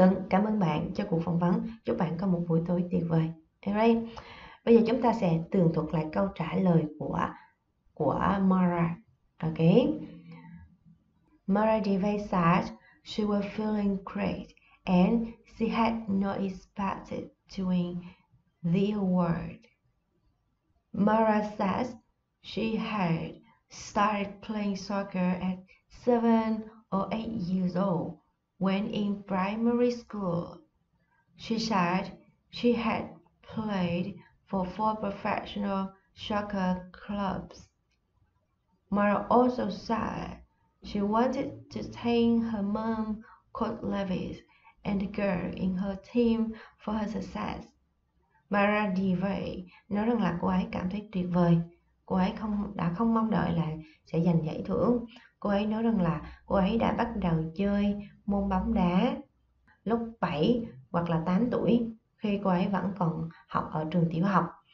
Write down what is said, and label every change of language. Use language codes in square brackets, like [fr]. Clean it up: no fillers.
[vi] Cảm ơn bạn cho cuộc phỏng vấn. Chúc bạn có một buổi tối tuyệt vời. [en] Alright. [vi] Bây giờ chúng ta sẽ tường thuật lại câu trả lời của Mara. [en] Okay. Mara Deva said she was feeling great and she had not expected to win the award. Mara says she had started playing soccer at 7 or 8 years old when in primary school. She said she had played for 4 professional soccer clubs. Mara also said she wanted to thank her mom, Coach Lewis, and the girl in her team for her success. [vi] Mara Diva nói rằng là cô ấy cảm thấy tuyệt vời. Cô ấy không mong đợi là sẽ giành giải thưởng. Cô ấy nói rằng là cô ấy đã bắt đầu chơi môn bóng đá lúc 7 hoặc là 8 tuổi, khi cô ấy vẫn còn học ở trường tiểu học.